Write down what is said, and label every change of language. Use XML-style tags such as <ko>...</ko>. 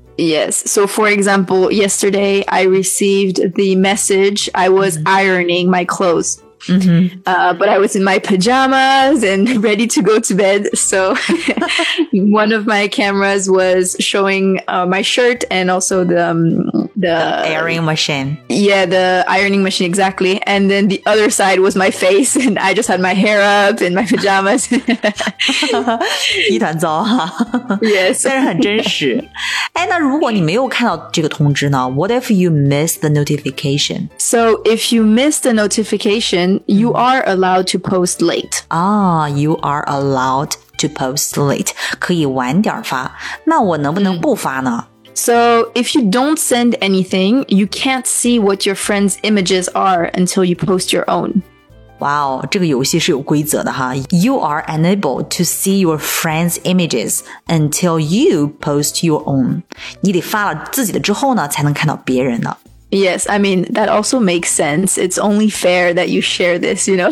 <en>Yes, so for example, yesterday I received the message I was ironing my clothes,、but I was in my pajamas and ready to go to bed, so one of my cameras was showing、my shirt and also the ironing machine. Yeah, the ironing machine, exactly. And then the other side was my face and I just had my hair up and my pajamas.</en> <zh>一团糟哈。</zh> <en>Yes.</en> <zh>但是很真实。哎，那如果你没有看到这个通知呢？</zh> <en>What if you miss the notification? So if you miss the notification, you are allowed to post late. Ah, you are allowed to post late.</en> <zh>可以晚点发。那我能不能不发呢？</zh> <en>So if you don't send anything, you can't see what your friends' images are until you post your own.</en> <zh>Wow, 这个游戏是有规则的哈。</zh> <en>You are unable to see your friends' images until you post your own.</en> <zh>你得发了自己的之后呢，才能看到别人的。</zh> <en>Yes, I mean, that also makes sense. It's only fair that you share this, you know?</en>